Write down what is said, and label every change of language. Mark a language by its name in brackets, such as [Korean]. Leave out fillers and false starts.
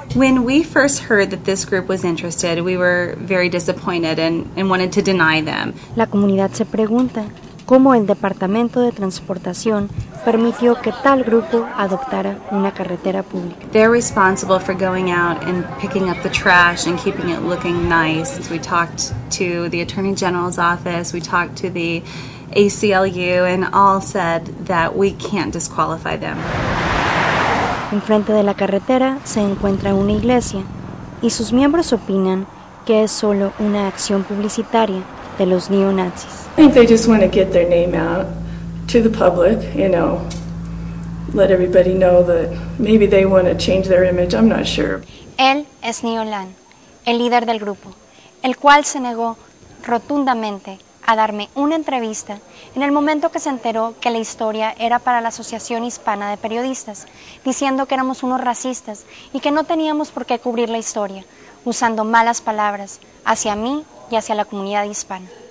[English] When we first heard that this group was interested, we were very disappointed and wanted to deny them. [Spanish] La comunidad se pregunta cómo el Departamento de Transportación permitió que tal grupo adoptara una carretera pública. [English] They're responsible for going out and picking up the trash and keeping it looking nice. We talked to the Attorney General's office, we talked to the ACLU, and all said that we can't disqualify them. [Spanish] Enfrente de la carretera se encuentra una iglesia, y sus miembros opinan que es solo una acción publicitaria de los neonazis. [English] I think they just want to get their name out to the public, you know, let everybody know that maybe they want to change their image, I'm not sure. [Spanish] Él es Neolan, el líder del grupo, el cual se negó rotundamente a darme una entrevista en el momento que se enteró que la historia era para la Asociación Hispana de Periodistas, diciendo que éramos unos racistas y que no teníamos por qué cubrir la historia, usando malas palabras hacia mí y hacia la comunidad hispana.